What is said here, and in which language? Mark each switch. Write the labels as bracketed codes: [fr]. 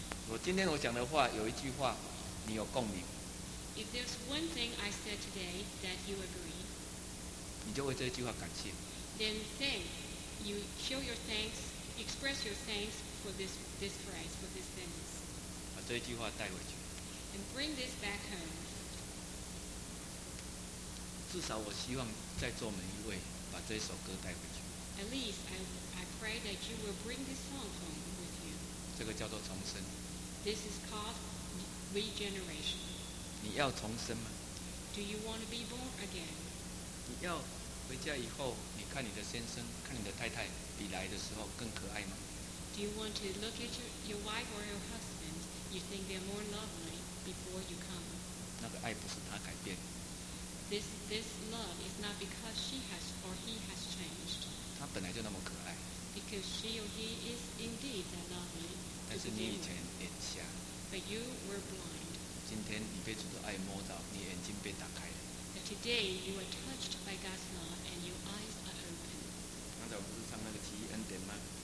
[zh] 我今天我讲的话有一句话，你有共鸣。 [en] If there's one thing I said today that you agree. [zh] 你就为这句话感谢。 [en] Then thank you. Show your thanks. Express your thanks for this phrase, for this sentence. [zh] 把这句话带回去。 [en] And bring this back home. [zh] 至少我希望在座每一位把这首歌带回去。 [en] At least I pray that you will bring this song home with you. [zh] 这个叫做重生。 [en] This is called regeneration. [zh] 你要重生吗 [en] ？Do you want to be born again? [zh] 你要回家以后，你看你的先生，看你的太太，比来的时候更可爱吗 [en] ？Do you want to look at your wife or your husband? You think they're more lovely before you come? [zh] 那个爱不是他改变。 [en] This love is not because she has or he has changed. [zh] 他本来就那么可爱。 [en] Because she or he is indeed that lovely. [zh] 但是你以前眼瞎。 [en] But you were blind. [zh] 今天你被主的爱摸到，你眼睛被打开了。 [en] But today you were touched by God's love and your eyes are open. [zh] 刚才不是唱那个奇异恩典吗